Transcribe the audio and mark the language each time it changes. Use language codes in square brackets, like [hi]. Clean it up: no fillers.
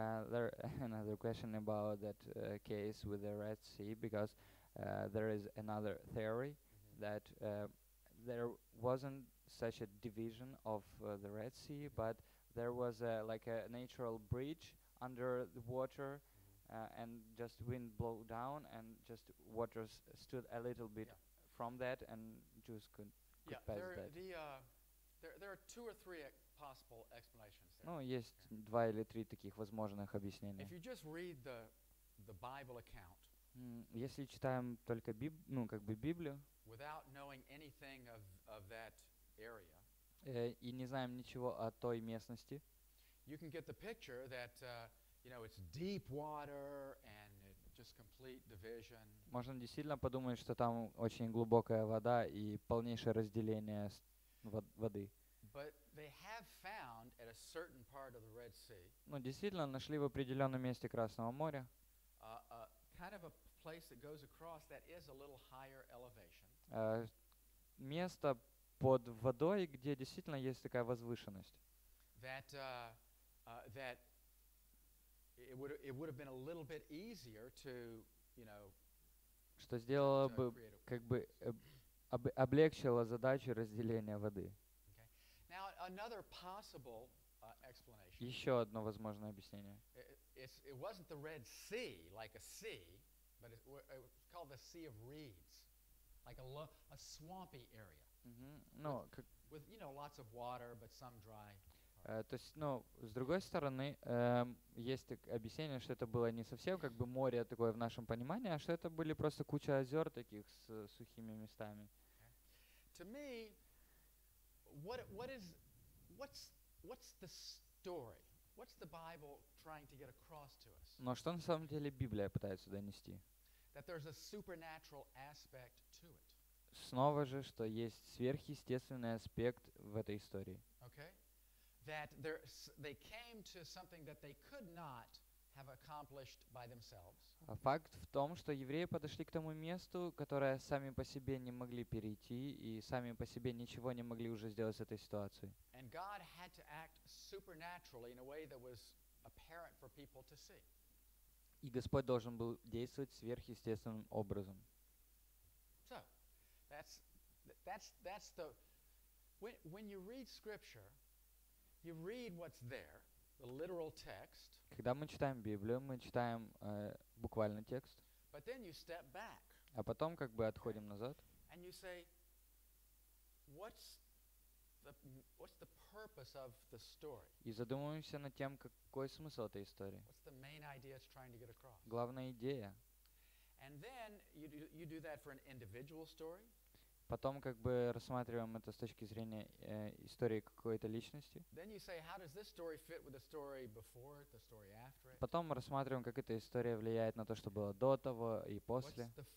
[en] There another question about that case with the Red Sea, because there is another theory that there wasn't such a division of the Red Sea, but there was a natural bridge under the water, and just wind blow down, and just water stood a little bit from that, and Jews There are two or three possible explanations. [ru] Ну, есть два или три таких возможных объяснения. [en] If you just read the Bible account. [ru] Если читаем только Библию. [en] Without knowing anything of that area. [ru] И не знаем ничего о той местности. [en] You can get the picture that you know, it's deep water and just complete division. [ru] Можно действительно подумать, что там очень глубокая вода и полнейшее разделение воды. [en] But they have found at a certain part of the Red Sea. [ru] Ну, действительно нашли в определенном месте Красного моря. [en] Kind of a place that goes across that is a little higher elevation. [ru] Место, под водой, где действительно есть такая возвышенность. [en] That, that it would have been a little bit easier to, you know, [ru] что сделало бы, как бы, облегчило задачу разделения воды. [en] Okay. Now, another possible, explanation. [ru] Еще одно возможное объяснение. [en] It wasn't the Red Sea, like a sea, but it was called the Sea of Reeds, like a swampy area. Mm-hmm. No, with, with, you know, lots of water, but some dry. [ru] То есть, ну, с другой стороны, есть так объяснение, что это было не совсем как бы море такое в нашем понимании, а что это были просто куча озер таких с сухими местами. [en] Okay. To me, what's the story? What's the Bible trying to get across to us? [ru] Но что на самом деле Библия пытается донести? [en] That there's a supernatural aspect to it. [ru] Снова же, что есть сверхъестественный аспект в этой истории. [en] Okay. That they came to something that they could not have accomplished by themselves. [ru] А факт в том, что евреи подошли к тому месту, которое сами по себе не могли перейти и сами по себе ничего не могли уже сделать с этой ситуацией. [en] And God had to act supernaturally in a way that was apparent for people to see. [ru] И Господь должен был действовать сверхъестественным образом. [en] So, that's the when you read scripture. You read what's there, the literal text. [ru] Когда мы читаем Библию, мы читаем буквальный текст. [en] But then you step back. [ru] А потом как бы отходим назад. [en] And you say, what's the purpose of the story? [ru] И задумываемся над тем, какой смысл этой истории. [en] What's the main idea it's trying to get across? [ru] Главная идея. [en] And then you do that for an individual story. [ru] Потом как бы рассматриваем это с точки зрения истории какой-то личности. [en] Say, [ru] потом мы рассматриваем, как эта история влияет на то, что было до того и после.